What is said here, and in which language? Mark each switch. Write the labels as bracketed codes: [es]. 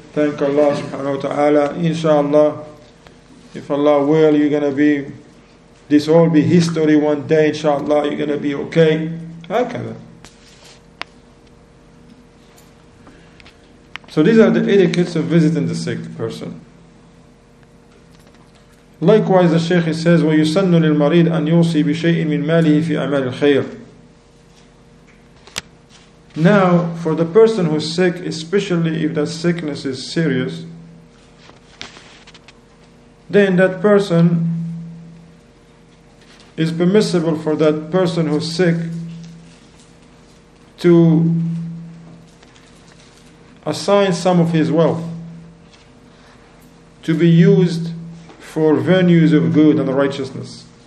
[en] Thank Allah subhanahu wa ta'ala. Inshallah, if Allah will, you're going to be, this all be history one day, inshallah, you're going to be okay. Hakada. So these are the etiquettes of visiting the sick person. [ar] Likewise, the Shaykh says, وَيُسَنُّ لِلْمَرِيدِ أَنْ يُوصِي بِشَيْءٍ مِنْ مَالِهِ فِي أَعْمَالِ الْخَيْرِ. [en] Now, for the person who's sick, especially if that sickness is serious, then that person is permissible for that person who's sick to assign some of his wealth to be used for venues of good and righteousness.